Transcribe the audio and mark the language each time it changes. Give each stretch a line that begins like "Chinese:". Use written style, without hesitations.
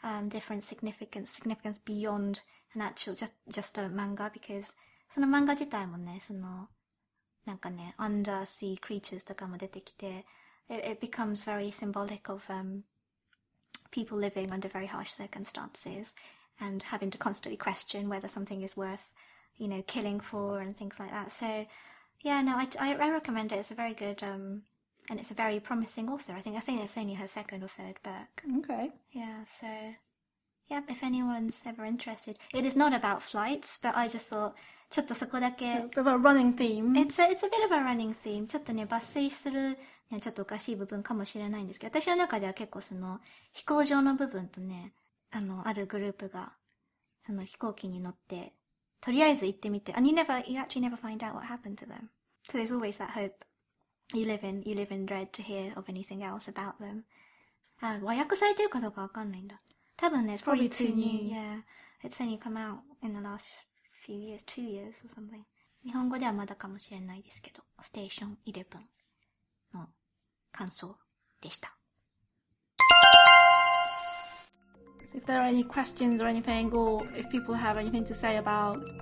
English: different significance beyond an actual just a manga because
Japanese: その漫画自体もねそのなんかね
English: undersea creatures
Japanese: とかも出てきて
English: it becomes very symbolic of people living under very harsh circumstances and having to constantly question whether something is worth you know killing for and things like that so yeah no I recommend it it's a very good And it's a very promising author. I think it's only her second or third book. Okay. Yeah, so... Yeah, if anyone's ever interested... It is not about flights, but I just thought...
Japanese: ちょっとそこだけ...
English: A bit of a running theme. It's a bit of a running theme.
Japanese: ちょっとね、抜粋する、ね、ちょっとおかしい部分かもしれないんですけど、私の中では結構その、飛行場の部分とね、あの、あるグループが、その飛行機に乗って、とりあえず行ってみて。
English: And you actually never find out what happened to them. So there's always that hope. You live in dread to hear of anything else about them.
Japanese: 和訳されてるかどうかわかんないんだ。多分ね、
English: it's probably too new. Yeah, it's only come out in the last few years, 2 years or something.
Japanese: 日本語ではまだかもしれないですけど、Station 11の感想でした。
English: So if there are any questions or anything, or if people have anything to say about...